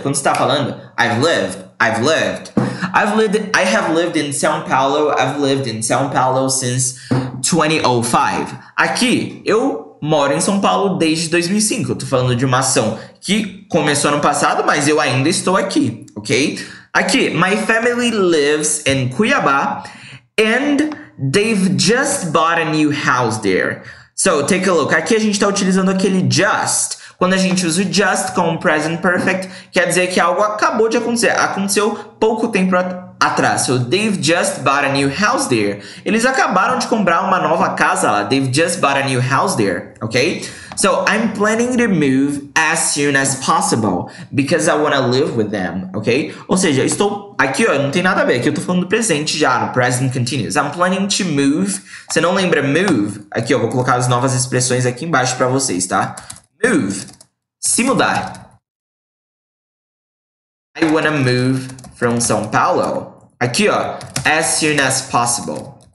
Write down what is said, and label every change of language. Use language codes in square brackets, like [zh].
[pt] Quando você está falando, [en] I've lived. I've lived. I've lived. I have lived in São Paulo. I've lived in São Paulo since 2005. [pt] Aqui, eu moro em São Paulo desde 2005. Eu tô falando de uma ação que começou no passado, mas eu ainda estou aqui, ok? [en] Aqui, my family lives in Cuiabá and they've just bought a new house there. So, take a look. [pt] Aqui a gente tá utilizando aquele just. Quando a gente usa o just com o present perfect, quer dizer que algo acabou de acontecer. Aconteceu pouco tempo atrás. [en] So, they've just bought a new house there. [pt] Eles acabaram de comprar uma nova casa lá. [en] They've just bought a new house there, ok? So, I'm planning to move as soon as possible because I want to live with them, ok? [pt] Ou seja, eu estou aqui, ó, não tem nada a ver. Aqui eu tô falando do presente já, no present continuous. [en] I'm planning to move. [pt] Você não lembra move? Aqui, ó, vou colocar as novas expressões aqui embaixo pra vocês, tá? Move. Se mudar. [en] I want to move from São Paulo. [pt] Aqui, ó, [en] as soon as possible.